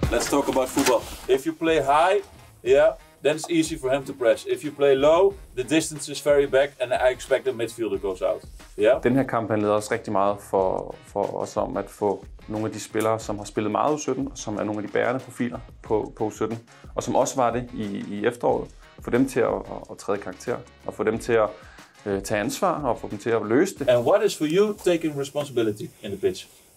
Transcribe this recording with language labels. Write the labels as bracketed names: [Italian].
[English] Talk about football. If you play high, yeah, then it's easy for him to press. If you play low, the distance is very back, and I expect the midfielder goes out. Yeah. [Danish] Den her kamp handlede også rigtig meget for os om at få nogle af de spillere, som har spillet meget U17, som er nogle af de bærende profiler på U17, og som også var det i efteråret, få dem til at træde karakter og få dem til at tage ansvar og få dem til at løse det. [English] And what is for you taking responsibility in the pitch?